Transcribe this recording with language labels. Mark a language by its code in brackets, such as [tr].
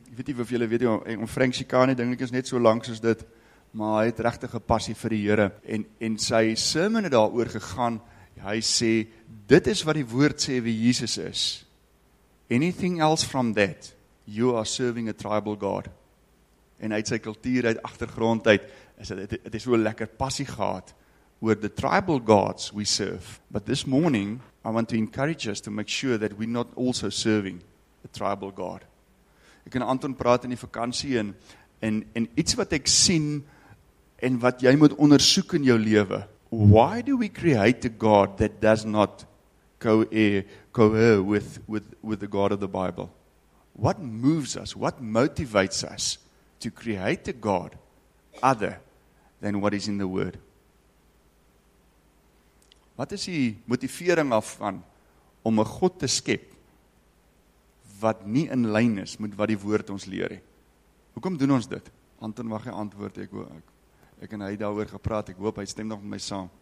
[af] Jy weet nie of julle weet nie, oom Frank Shikani dink ek is net so lank soos dit, maar hy het regtig 'n passie vir die Here en sy sermon het daaroor gegaan. Hy sê dit is wat die woord sê wie Jesus is. [en] Anything else from that, you are serving a tribal God. [af] En uit sy kultuur, uit agtergrond uit, het is so lekker passie gehad oor [en] the tribal gods we serve. But this morning, I want to encourage us to make sure that we're not also serving a tribal God. [af] Ek en Anton praat in die vakansie en iets wat ek sien en wat jy moet ondersoek in jou lewe. [en] Why do we create a God that does not cohere with the God of the Bible? What moves us? What motivates us to create a God other than what is in the Word? [af] Wat is die motivering daarvan om 'n God te skep wat nie in lyn is met wat die Woord ons leer nie? Hoekom doen ons dit? Anton, mag jy antwoord? Ek en hy daaroor gepraat. Ek hoop hy stem nog met my saam.